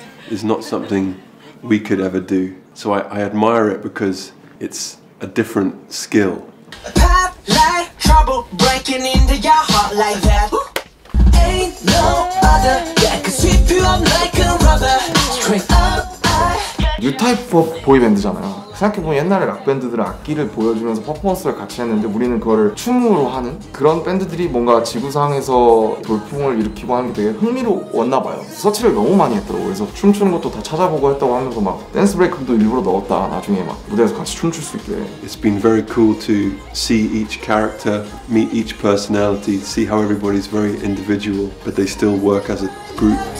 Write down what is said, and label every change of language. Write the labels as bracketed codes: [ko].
[en] Is not something we could ever do. So I admire it because it's a different skill. Pop like trouble breaking into your heart like that. Ooh. Ain't no other that can sweep you up like a rubber. Straight up. New type of boy band잖아요. [ko] 생각해보면 옛날에 락 밴드들은 악기를 보여주면서 퍼포먼스를 같이 했는데 우리는 그거를 춤으로 하는 그런 밴드들이 뭔가 지구상에서 돌풍을 일으키고 하는 게 되게 흥미로웠나 봐요. 서치를 너무 많이 했더라고. 그래서 춤추는 것도 다 찾아보고 했다고 하면서 막 댄스 브레이크도 일부러 넣었다. 나중에 막 무대에서 같이 춤출 수 있게. [en] It's been very cool to see each character, meet each personality, see how everybody's very individual, but they still work as a group.